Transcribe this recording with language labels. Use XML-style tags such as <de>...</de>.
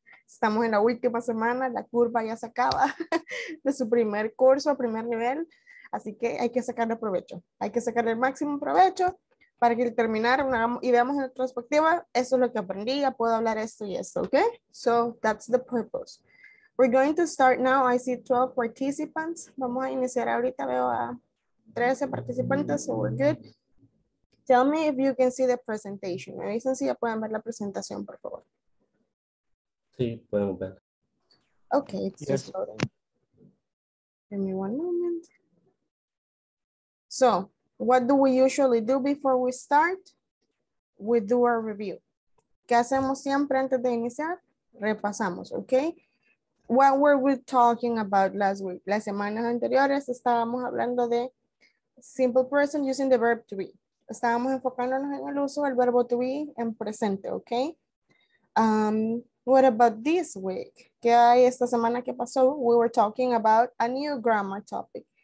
<es>Estamos en la última semana, la curva ya se acaba de su primer curso, primer nivel. Así que hay que sacarle provecho. Hay que sacarle el máximo provecho. Para que terminar y veamos en retrospectiva, eso es lo que aprendí, ya puedo hablar esto y esto, ¿ok?</es> <en>So, that's the purpose. We're going to start now, I see 12 participants.</en> <es>Vamos a iniciar ahorita, veo a 13 participantes,</es> <en>so we're good. Tell me if you can see the presentation.</en> <es>Me dicen si ya pueden ver la presentación, por favor. Sí, podemos ver.</es> <en>Ok, it's just loading. Give me one moment. So, what do we usually do before we start? We do a review.</en> <es>¿Qué hacemos siempre antes de iniciar? Repasamos,</es> <en>okay? What were we talking about last week?</en> <es>Las semanas anteriores estábamos hablando de</es> <en>simple present using the verb to be.</en> <es>Estábamos enfocándonos en el uso del verbo to be en presente, okay?</es> <en>What about this week?</en> <es>¿Qué hay esta semana que pasó?</es> <en>We were talking about a new grammar topic.</en>